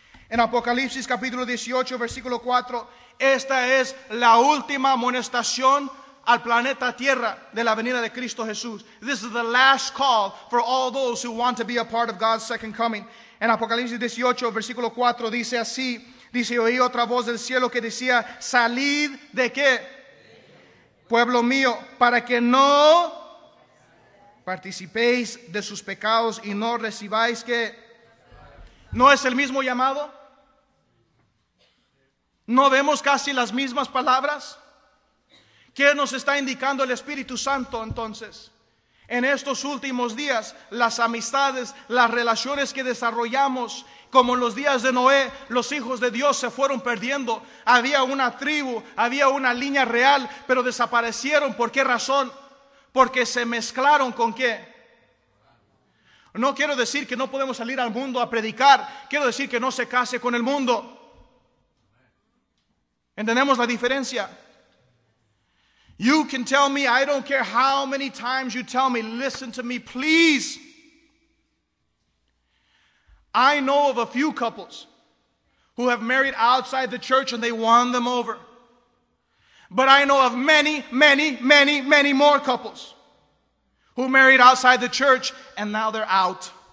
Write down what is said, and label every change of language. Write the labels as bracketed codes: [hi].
[es] En Apocalipsis capítulo 18, versículo 4, esta es la última amonestación al planeta Tierra de la venida de Cristo Jesús. [en] This is the last call for all those who want to be a part of God's second coming. [es] En Apocalipsis 18, versículo 4, dice así, dice, oí otra voz del cielo que decía, salid de qué? Pueblo mío, para que no participéis de sus pecados y no recibáis que. ¿No es el mismo llamado? ¿No vemos casi las mismas palabras? ¿Qué nos está indicando el Espíritu Santo entonces? En estos últimos días, las amistades, las relaciones que desarrollamos, como en los días de Noé, los hijos de Dios se fueron perdiendo. Había una tribu, había una línea real, pero desaparecieron. ¿Por qué razón? Porque se mezclaron con qué. No quiero decir que no podemos salir al mundo a predicar. Quiero decir que no se case con el mundo. ¿Entendemos la diferencia? [en] You can tell me, I don't care how many times you tell me, listen to me, please. I know of a few couples who have married outside the church and they won them over. But I know of many, many, many, many more couples who married outside the church and now they're out.